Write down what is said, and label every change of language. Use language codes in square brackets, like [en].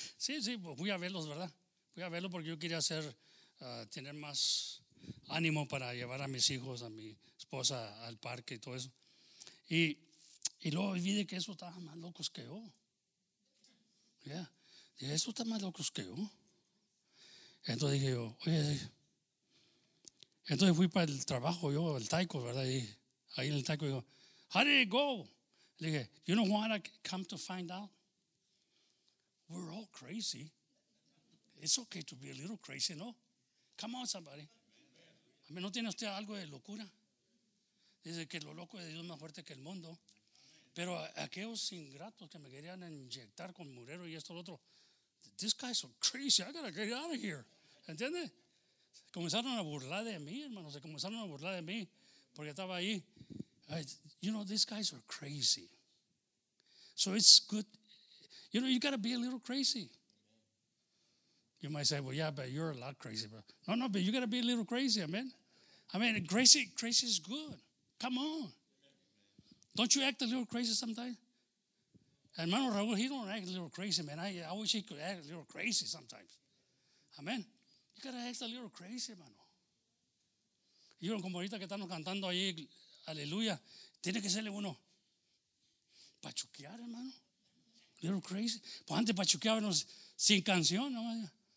[es] Sí, pues fui a verlos, ¿verdad? Fui a verlos porque yo quería hacer, tener más ánimo para llevar a mis hijos, a mi esposa al parque y todo eso. Y luego vi de que eso estaba más locos que yo. Ya. Dije, eso está más locos que yo. Entonces dije yo, oye, sí. Entonces fui para el trabajo, yo, el taiko, ¿verdad? Y ahí en el taiko, digo, [en] how did it go? [es] Le dije, [en] you know what I come to find out? We're all crazy. It's okay to be a little crazy, ¿no? Come on, somebody. [es] ¿No tiene usted algo de locura? Dice que lo loco de Dios es más fuerte que el mundo. Pero aquellos ingratos que me querían inyectar con murero y esto y lo otro, [en] these guys are crazy, I gotta get out of here. [es] ¿Entiende? Comenzaron a burlar de mí, hermano, se comenzaron a burlar de mí porque estaba ahí. [en] You know, these guys are crazy. So it's good. You know, you gotta be a little crazy. You might say, well, yeah, but you're a lot crazy, bro. No, but you got to be a little crazy, amen? I mean, crazy is good. Come on. Don't you act a little crazy sometimes? Hermano Raúl, he don't act a little crazy, man. I wish he could act a little crazy sometimes. Amen? You got to act a little crazy, hermano. [es] Y uno como ahorita que estamos cantando ahí, aleluya, tiene que serle uno pachuquear, hermano. [en] A little crazy. [es] Pues antes pachuqueábamos sin canción, no más.